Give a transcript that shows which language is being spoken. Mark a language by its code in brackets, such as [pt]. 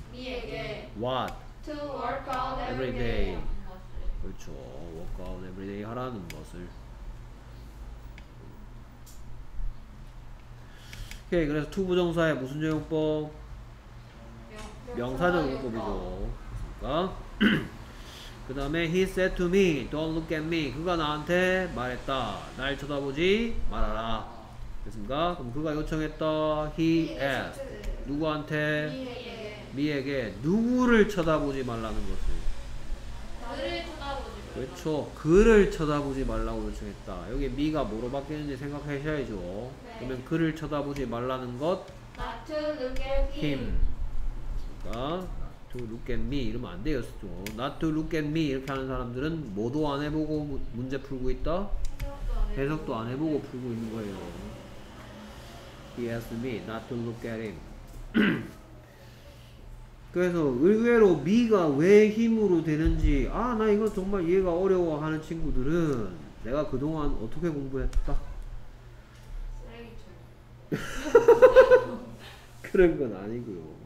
[ko] 미에게. [en] What? To work out every day. [ko] 그렇죠. [en] Work out every day [ko] 하라는 것을. 오케이. 그래서 to 부정사의 무슨 적용법? 명사 적용법이죠. 그니까. 그 다음에 [en] he said to me, don't look at me. [ko] 그가 나한테 말했다. 날 쳐다보지 말아라. 됐습니까? 그럼 그가 요청했다. [en] He asked. [ko] 누구한테? 미에게. 누구를 쳐다보지 말라는 것을. 그를 쳐다보지 말라. 그렇죠. 그를 쳐다보지 말라고 요청했다. 여기 미가 뭐로 바뀌는지 생각하셔야죠. 네. 그러면 그를 쳐다보지 말라는 것? [en] Not to look at him. [ko] 됐습니까? [en] Not to look at me. [ko] 이러면 안 되었죠. [en] Not to look at me. [ko] 이렇게 하는 사람들은 뭐도 안 해보고 문제 풀고 있다? 해석도 안 해보고 풀고 있는 거예요. [en] He asked me not to look at him. [ko] 그래서 의외로 미가 왜 힘으로 되는지 아 나 이거 정말 이해가 어려워 하는 친구들은 내가 그동안 어떻게 공부했다? 쓰레기처럼 그런 건 아니고요.